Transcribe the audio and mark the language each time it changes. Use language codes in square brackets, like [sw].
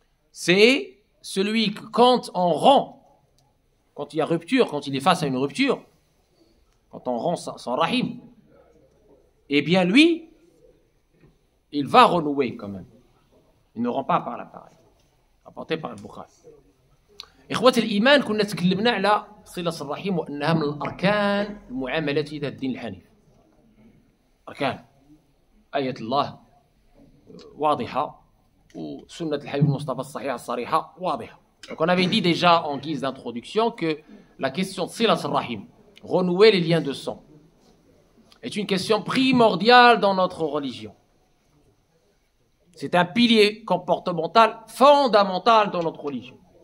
[fr] C'est celui que, quand on rend, quand il y a rupture, quand il est face à une rupture, quand on rend son rahim, eh bien lui, il va renouer quand même. Il ne rend pas par l'appareil. Apporté par Al-Bukhari. [ar] إخوة الإيمان كنا تكلمنا على صلة الرحيم وأنها من الأركان المعاملة ذات الدين الحنيف. أركان آية الله واضحة وسنة الحبيب المصطفى الصحيحة الصريحة واضحة. [fr] Donc on avait dit déjà en guise d'introduction que la question de صلة الرحيم, renouer les liens de sang, est une question primordiale dans notre religion. C'est un pilier comportemental fondamental dans notre religion.